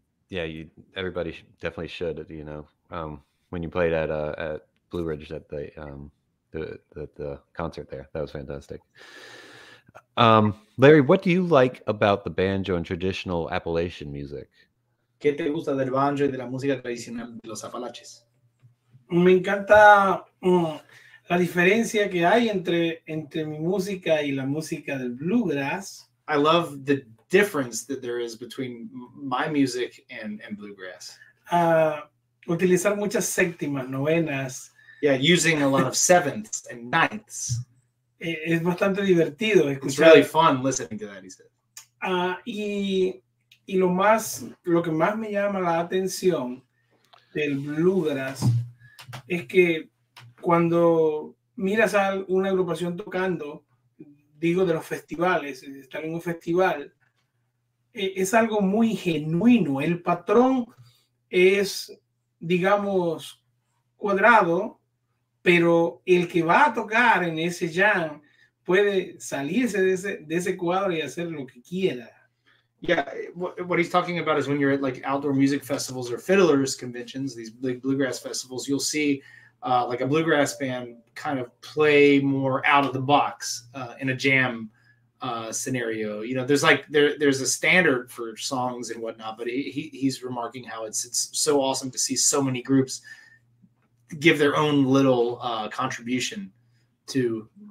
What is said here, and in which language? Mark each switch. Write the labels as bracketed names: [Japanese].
[English] Yeah, everybody definitely should. You know, when you played at Blueridge at the concert there, that was fantastic. Larry, what do you like about the banjo and traditional Appalachian music? [Spanish] ¿Qué te gusta del banjo y de la música tradicional de los Apalaches? Me encanta la diferencia que hay entre mi música y la música del bluegrass. [English] I love the difference that there is between my music and bluegrass. [Spanish] utilizar muchas séptimas, novenas. [English] Yeah, using a lot of sevenths and ninths. [Spanish] Es bastante divertido escuchar. [English] It's really fun listening to that, he said. [Spanish] Y lo que más me llama la atención del bluegrass es que cuando miras a una agrupación tocando, digo de los festivales, estar en un festival, es algo muy genuino. El patrón es, digamos, cuadrado, pero el que va a tocar en ese jam puede salirse de ese cuadro y hacer lo que quiera. [English] Yeah, what he's talking about is when you're at like outdoor music festivals or fiddlers conventions, these big bluegrass festivals, you'll see like a bluegrass band kind of play more out of the box in a jam scenario. You know, there's like there's a standard for songs and whatnot, but he's remarking how it's so awesome to see so many groups give their own little contribution to.